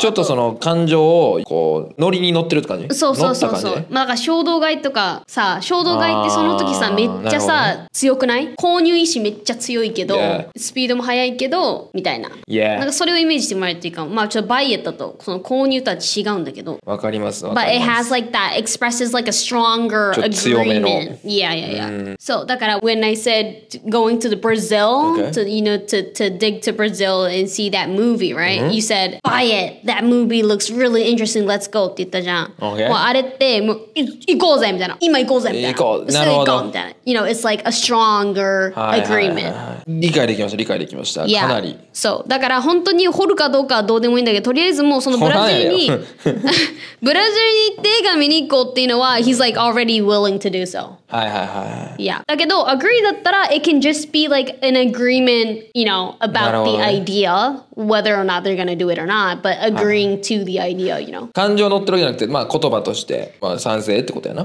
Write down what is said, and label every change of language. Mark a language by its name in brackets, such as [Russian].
[Japanese] ちょっとその感情をこうノリに乗ってるって感じ。そうそうそうそう。まあ、なんか衝動買いとかさ、衝動買いってその時さめっちゃさ強くない？購入意志めっちゃ強いけど、 [English] yeah. [Japanese] スピードも速いけどみたいな。 [English] Yeah. [Japanese] なんかそれをイメージしてもらえるっていうか、まあちょっとバイエットとその購入とは違うんだけど。わかります。 [English] But it has like that expresses like a stronger agreement. Yeah, yeah, yeah. So, [Japanese] だから [English] when I said going to the Brazil,、okay. to, you know, to dig to Brazil and see that movie, right?、Mm-hmm. You said, buy it. That movie looks really interesting. Let's go. [Japanese] って言ったじゃん。 [English] Okay. [Japanese] もうあれってもう行こうぜみたいな。今行こうぜみたいな。行こう。なるほど。みたいな。 [English] You know, it's like a stronger agreement. [Japanese] 理解できました。理解できました。 [English] Yeah. [Japanese] かなり。そう。だから本当に掘るかどうかはどうでもいいんだけど、とりあえずもうそのブラジルに、ブラジルに行って映画見に行こうっていうのは、 [English] he's like already willing to do so. [Japanese] はいはいはい。 [English] Yeah. [Japanese] だけど、 [English] agree [Japanese] だったら、 [English] it can just be like an agreement, you know, about the idea, whether or not they're gonna do it or not, but agreeing、 [Japanese] はい、 [English] to the idea, you know. [Japanese] 感情乗ってるじゃなくて、まあ言葉として、まあ賛成ってことやな。